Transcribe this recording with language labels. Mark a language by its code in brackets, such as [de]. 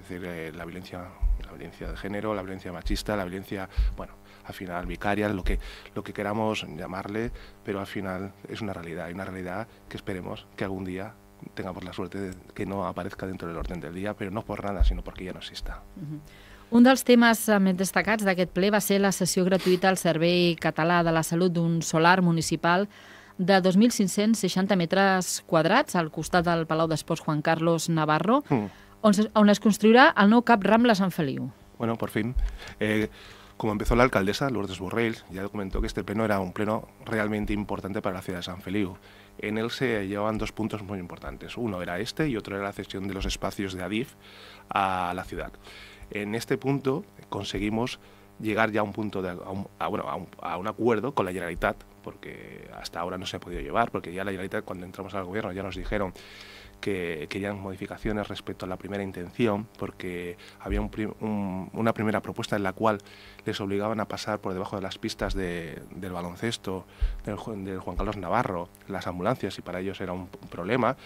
[es] Es decir, la violencia de género, la violencia machista, la violencia, bueno, al final vicaria, lo que queramos llamarle, pero al final es una realidad, y una realidad que esperemos que algún día tengamos la suerte de que no aparezca dentro del orden del día, pero no por nada, sino porque ya no exista. [ca] Un dels temes més destacats d'aquest ple va ser la cessió gratuïta al Servei Català de la Salut d'un solar municipal de 2.560 metres quadrats al costat del Palau d'Esports Juan Carlos Navarro, on es construirà el nou CAP Rambla Sant Feliu. [es] Bueno, por fin. Como empezó la alcaldesa, Lourdes Borrell, ya comentó que este pleno era un pleno realmente importante para la ciudad de Sant Feliu. En él se llevaban dos puntos muy importantes. Uno era este y otro era la cesión de los espacios de Adif a la ciudad. En este punto conseguimos llegar ya a un acuerdo con la Generalitat, porque hasta ahora no se ha podido llevar, porque ya la Generalitat, cuando entramos al gobierno, ya nos dijeron que querían modificaciones respecto a la primera intención, porque había una primera propuesta en la cual les obligaban a pasar por debajo de las pistas del baloncesto del Juan Carlos Navarro las ambulancias, y para ellos era un problema.